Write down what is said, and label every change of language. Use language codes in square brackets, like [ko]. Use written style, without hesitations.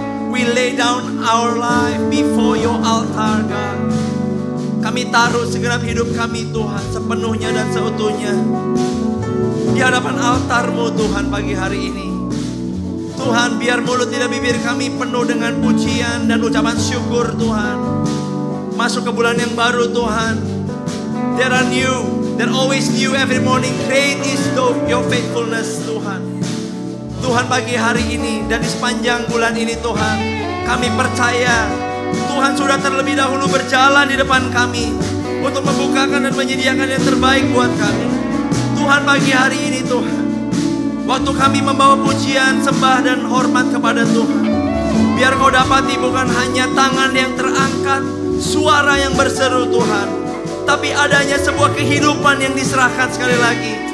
[en] We lay down our life before your altar, God. [id] Kami taruh segenap hidup kami Tuhan sepenuhnya dan seutuhnya di hadapan altar-Mu Tuhan pagi hari ini. Tuhan, biar mulut tidak bibir kami penuh dengan pujian dan ucapan syukur Tuhan. Masuk ke bulan yang baru Tuhan. [en] There are new, there always new every morning. Great is your faithfulness Tuhan. [id] Tuhan, pagi hari ini dan di sepanjang bulan ini Tuhan, kami percaya Tuhan sudah terlebih dahulu berjalan di depan kami untuk membukakan dan menyediakan yang terbaik buat kami. Tuhan, pagi hari ini Tuhan, waktu kami membawa pujian, sembah dan hormat kepada Tuhan, biar Kau dapati bukan hanya tangan yang terangkat, suara yang berseru Tuhan, tapi adanya sebuah kehidupan yang diserahkan sekali lagi.